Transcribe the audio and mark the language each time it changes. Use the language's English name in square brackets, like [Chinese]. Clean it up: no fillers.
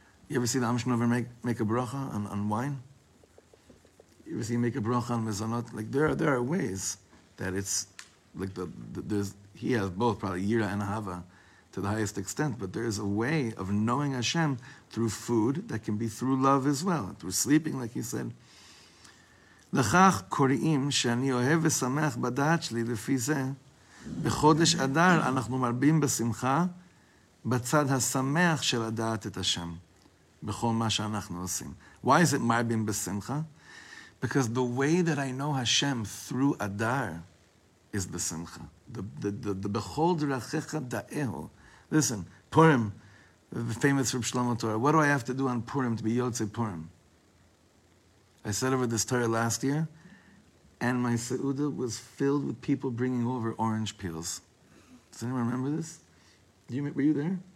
[English] You ever see the Amishnover make a bracha on wine? You ever see him make a bracha on mezonot? Like there are ways that it's like he has both probably yira and ahava to the highest extent, but there is a way of knowing Hashem through food that can be through love as well, through sleeping, like he said. [Hebrew] לכך קוראים שאני אוהב ושמח בדעת שלי לפי זה, בחודש אדר אנחנו מרבים בשמחה בצד השמח של הדעת את השם, בכל מה שאנחנו עושים. [English] Why is it מרבים בשמחה? Because the way that I know Hashem through אדר is the שמחה. The בכל דרכך דאהו. Listen, Purim, the famous from Shlomo Torah, what do I have to do on Purim to be Yotze Purim? I said over this Torah last year, and my Seuda was filled with people bringing over orange peels. Does anyone remember this? Were you there?